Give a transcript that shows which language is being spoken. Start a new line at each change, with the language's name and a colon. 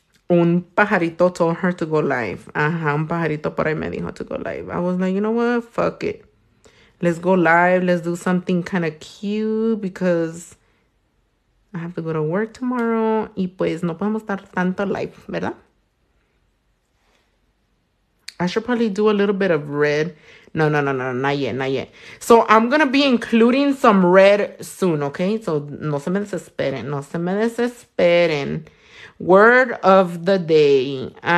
Spanish: Un pajarito
English: told her to go live.
Spanish: Un pajarito por ahí me dijo
English: to go live. I was like, you know what? Fuck it. Let's go live. Let's do something kind of cute because I have to go to work tomorrow.
Spanish: Y pues no podemos estar tanto live, ¿verdad?
English: I should probably do a little bit of red. No, not yet, not yet. So I'm gonna be including some red soon, okay?
Spanish: So no se me desesperen, no se me desesperen.
English: Word of the day.